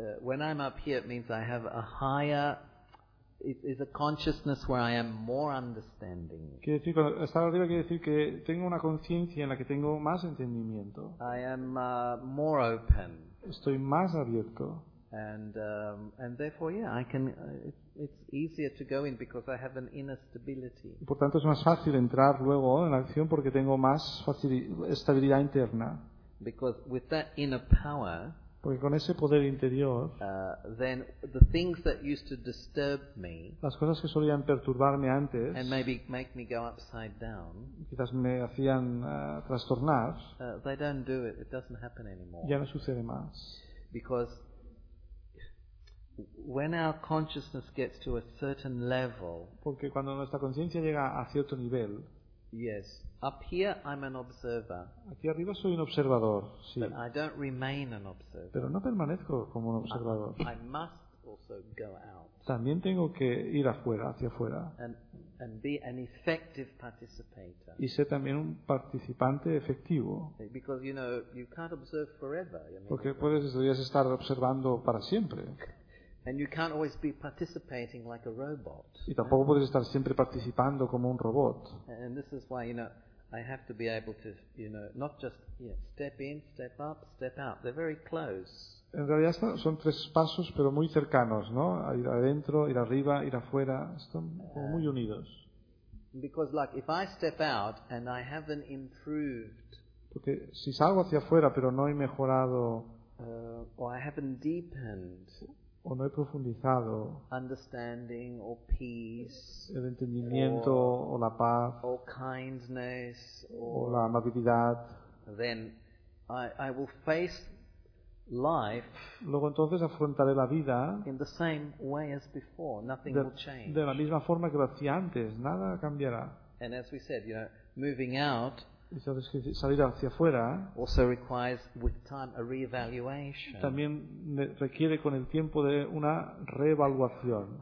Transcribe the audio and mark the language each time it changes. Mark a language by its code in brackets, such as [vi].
[en] When I'm up here, it means I have a higher. It's a consciousness where I am more understanding. [es] Quiere decir, cuando estar arriba quiere decir que tengo una conciencia en la que tengo más entendimiento. [en] I am more open. [es] Estoy más abierto. [en] And therefore, yeah, I can. It's easier to go in because I have an inner stability. [es] Por tanto, es más fácil entrar luego en la acción porque tengo más estabilidad interna. [en] Because with that inner power, [es] porque con ese poder interior, [en] then the things that used to disturb me, [es] las cosas que solían perturbarme antes, [en] and maybe make me go upside down, [es] quizás me hacían trastornar, [en] they don't do it. It doesn't happen anymore. [es] Ya no sucede más. [en] Because when our consciousness gets to a certain level, [es] porque cuando nuestra conciencia llega a cierto nivel, [en] yes, up here I'm an observer. [es] Aquí arriba soy un observador, sí. [en] But I don't remain an observer. [es] Pero no permanezco como un observador. [en] I must also go out. [es] También tengo que ir afuera, hacia afuera. [en] And be an effective participator. [es] Y ser también un participante efectivo. [en] Because you know you can't observe forever. You know, [es] porque puedes, deberías estar observando para siempre. [en] And you can't always be participating like a robot. [es] Y tampoco puedes estar siempre participando como un robot. [en] And this is why, you know, I have to be able to, you know, not just, you know, step in, step up, step out. They're very close. [es] En realidad son tres pasos, pero muy cercanos, ¿no? Ir adentro, ir arriba, ir afuera. Están como muy unidos. [en] Because, like, if I step out and I haven't improved. [es] Porque si salgo hacia afuera, pero no he mejorado. [en] Or I haven't deepened. [es] O no he profundizado [en] understanding or peace, [es] el entendimiento o la paz [en] or kindness, [es] o la amabilidad, [en] then I will face life, [es] luego entonces afrontaré la vida [en] in the same way as before, nothing will change. [es] De la misma forma que lo hacía antes, nada cambiará. [en] And as we said, you know, moving out, [es] Y sabes que salir hacia afuera [en] also requires with time a reevaluation. [es] También requiere con el tiempo de una reevaluación.